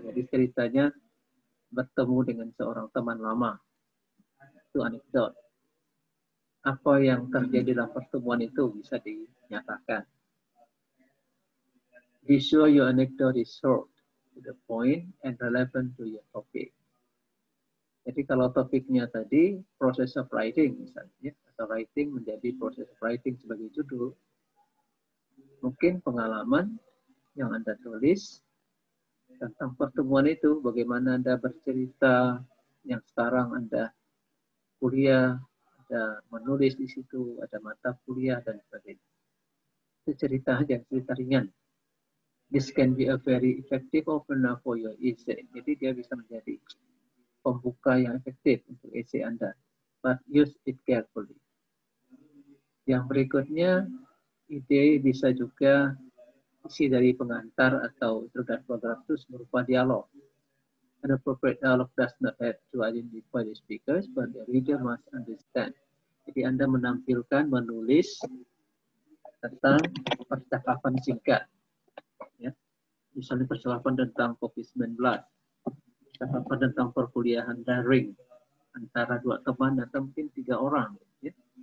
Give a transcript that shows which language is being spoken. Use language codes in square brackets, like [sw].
[id] Jadi ceritanya bertemu dengan seorang teman lama. Itu anecdote. Apa yang terjadi dalam pertemuan itu bisa dinyatakan. [en] Be sure your anecdote is short to the point and relevant to your topic. [id] Jadi kalau topiknya tadi process of writing misalnya, atau writing menjadi process of writing sebagai judul, mungkin pengalaman yang Anda tulis tentang pertemuan itu, bagaimana Anda bercerita yang sekarang Anda kuliah, ada menulis di situ, ada mata kuliah dan sebagainya. Itu cerita aja, cerita ringan. [en] This can be a very effective opener for your essay. [id] Jadi dia bisa menjadi pembuka yang efektif untuk essay Anda. [en] But use it carefully. [id] Yang berikutnya, ide bisa juga isi dari pengantar atau introductus berupa dialog. [en] An appropriate dialogue does not have to identify the speakers, but the reader must understand. [id] Jadi Anda menampilkan, menulis tentang percakapan singkat. Ya. Misalnya percakapan tentang COVID-19, percakapan tentang perkuliahan daring antara dua teman atau mungkin tiga orang. Ya.